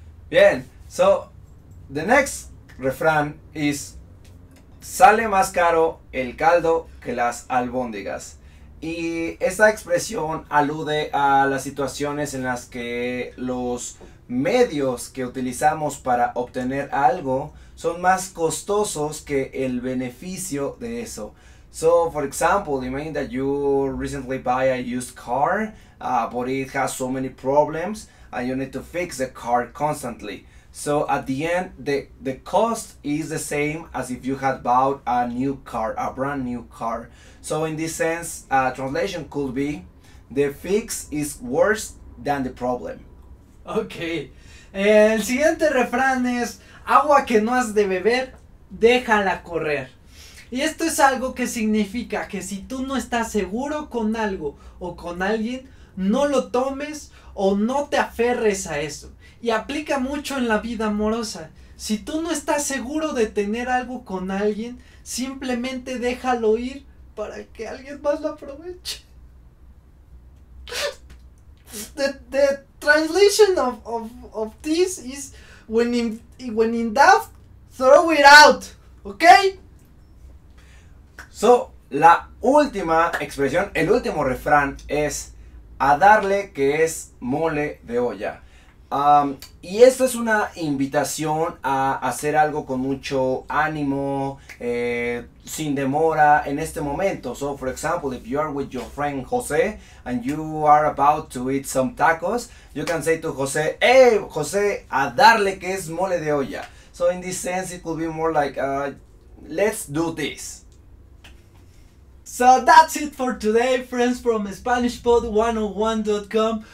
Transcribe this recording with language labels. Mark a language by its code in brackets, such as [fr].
[es] Bien, [en] so the next [es] refrán es: Sale más caro el caldo que las albóndigas. Y esta expresión alude a las situaciones en las que los medios que utilizamos para obtener algo son más costosos que el beneficio de eso. [en] So, for example, imagine that you recently buy a used car, but it has so many problems and you need to fix the car constantly. So, at the end, the cost is the same as if you had bought a new car, a brand new car. So, in this sense, a translation could be: The fix is worse than the problem. Okay. [es] El siguiente refrán es: Agua que no has de beber, déjala correr. Y esto es algo que significa que si tú no estás seguro con algo o con alguien, no lo tomes o no te aferres a eso. Y aplica mucho en la vida amorosa. Si tú no estás seguro de tener algo con alguien, simplemente déjalo ir para que alguien más lo aproveche. [en] The translation of this is: when in doubt, throw it out. Okay? [es] So, la última expresión, el último refrán es: A darle que es mole de olla. Y esto es una invitación a hacer algo con mucho ánimo, sin demora en este momento. [en] So, for example, if you are with your friend José and you are about to eat some tacos, you can say to José: Hey, José, [es] a darle que es mole de olla. [en] So, in this sense, it could be more like: Let's do this. So that's it for today, friends from SpanishPod101.com.